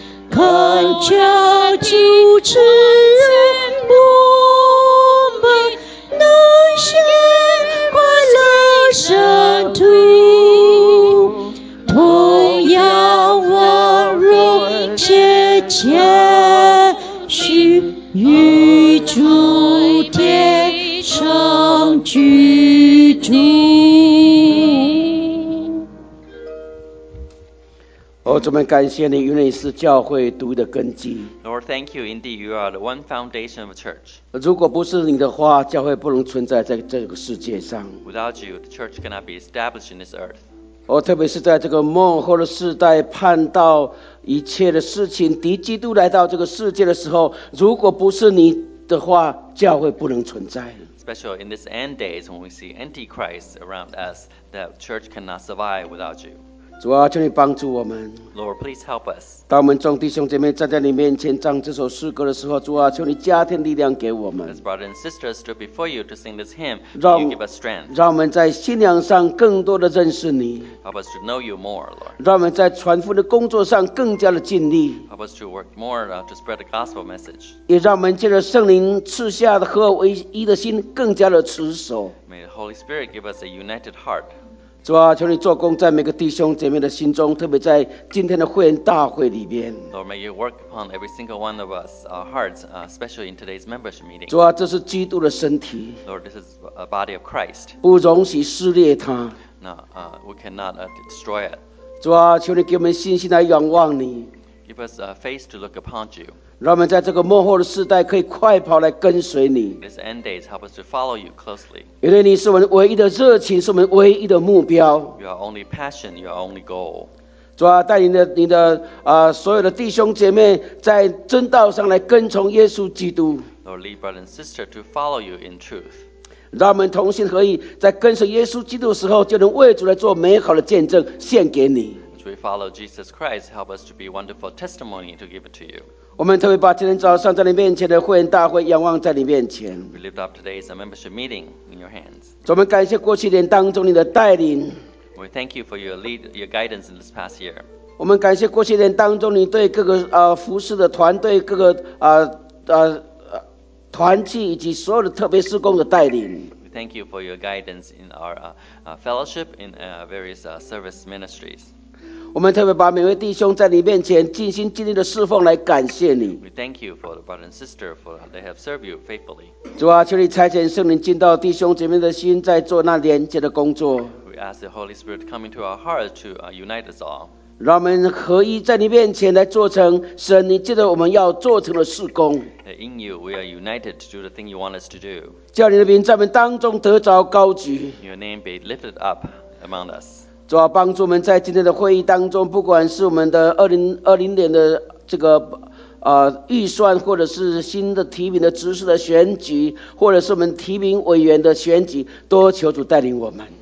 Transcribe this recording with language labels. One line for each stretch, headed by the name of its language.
Chinese: 恳求主赐恩我们能先快乐圣徒，同样温柔且谦虚与主天上居住。主，我们感谢你，因为你是教会独的根基。
English: Lord, thank you. Indeed, you are the one foundation of the church.
Chinese: 如果不是你的话，教会不能存在在这个世界上。
English: Without you, the church cannot be established in this earth.
Chinese: 特别是在这个末后的世代，盼到一切的事情，敌基督来到这个世界的时候，如果不是你的话，教会不能存在。
English: Especially in this end days, when we see Antichrist around us, the church cannot survive without you.
Chinese: 主啊，求你帮助我们。
English: Lord, please help us.
Chinese: 当我们众弟兄姐妹站在你面前唱这首诗歌的时候，主啊，求你加添力量给我们。
English: As brothers and sisters stood before you to sing this hymn, you give us strength.
Chinese: 让我们在信仰上更多的认识你。
English: Help us to know you more, Lord.
Chinese: 让我们在传福音的工作上更加的尽力。
English: Help us to work more to spread the gospel message.
Chinese: 也让我们借着圣灵赐下的合而为一的心更加的持守。
English: May the Holy Spirit give us a united heart.
Chinese: 主啊，求你做工在每个弟兄姐妹的心中，特别在今天的会员大会里面。
English: Lord, may you work upon every single one of us, our hearts, especially in today's membership meeting.
Chinese: 主啊，这是基督的身体。
English: Lord, this is a body of Christ.
Chinese: 不容许撕裂它。
English: We cannot destroy it.
Chinese: 主啊，求你给我们信心来仰望你。
English: Give us a face to look upon you.
Chinese: 让我们在这个末后的世代可以快跑来跟随你。
English: This end days help us to follow you closely.
Chinese: 因为你是我们唯一的热情，是我们唯一的目标。
English: You are only passion, you are only goal.
Chinese: 主啊，带领你的所有的弟兄姐妹在真道上来跟从耶稣基督。
English: Lord, lead brother and sister to follow you in truth.
Chinese: 让我们同心合意，在跟随耶稣基督的时候，就能为主来做美好的见证，献给你。
English: As we follow Jesus Christ, help us to be wonderful testimony to give it to you.
Chinese: 我们特别把今天早上在你面前的会员大会仰望在你面前。
English: We lift up today's membership meeting in your hands.
Chinese: 我们感谢过去年当中你的带领。
English: We thank you for your guidance in this past year.
Chinese: 我们感谢过去年当中你对各个服事的团队各个团契以及所有的特别事工的带领。
English: Thank you for your guidance in our fellowship in various service ministries.
Chinese: 我们特别把每位弟兄在你面前尽心尽力的侍奉来感谢你。
English: We thank you for the brother and sister for they have served you faithfully.
Chinese: 主啊，求你差遣圣灵进到弟兄姐妹的心，在做那连接的工作。
English: We ask the Holy Spirit to come into our hearts to unite us all.
Chinese: 让我们合一在你面前来做成神你记得我们要做成的事工。
English: In you, we are united to do the thing you want us to do.
Chinese: 叫你的名在我们当中得着高举。
English: Your name be lifted up among us.
Chinese: 主啊，帮助我们在今天的会议当中，不管是我们的2020年的这个预算，或者是新的提名的执事的选举，或者是我们提名委员的选举，都求主带领我们。